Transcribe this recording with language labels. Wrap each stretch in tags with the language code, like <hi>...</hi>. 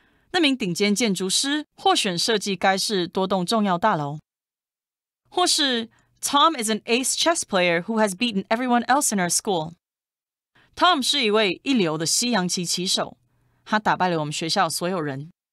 <zh>那名顶尖建筑师获选设计该市多栋重要大楼。或是</zh> <en>Tom is an ace chess player who has beaten everyone else in our school.</en> <zh>Tom 是一位一流的西洋棋棋手，他打败了我们学校所有人。</zh>